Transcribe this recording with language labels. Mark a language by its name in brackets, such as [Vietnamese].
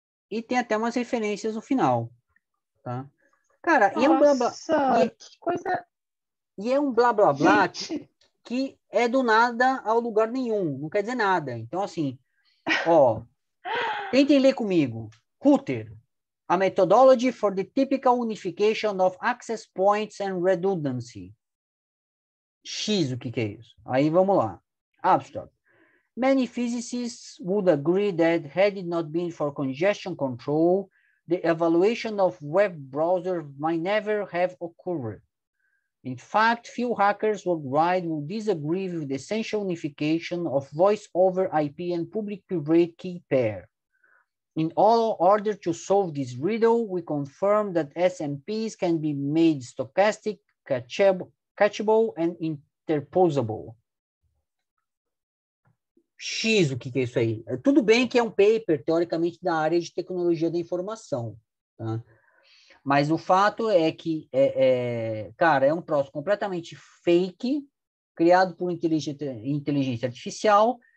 [Portuguese] E tem até umas referências no final, tá? Cara, e é um blá blá Nossa, que coisa. e é um blá blá blá Gente. que é do nada ao lugar nenhum, não quer dizer nada. Então, assim, ó, tentem ler comigo. [English] Router, a methodology for the typical unification of access points and redundancy. [Portuguese] X, o que que é isso? Aí vamos lá. [English] Abstract. Many physicists would agree that had it not been for congestion control, the evaluation of web browsers might never have occurred. In fact, few hackers worldwide would disagree with the essential unification of voice over IP and public private key pair. In all order to solve this riddle, we confirm that SMPs can be made stochastic, catchable, and interposable. [Portuguese] X, o que que é isso aí? Tudo bem que é um paper, teoricamente, da área de tecnologia da informação, tá? Mas o fato é que, cara, é um troço completamente fake, criado por inteligência artificial.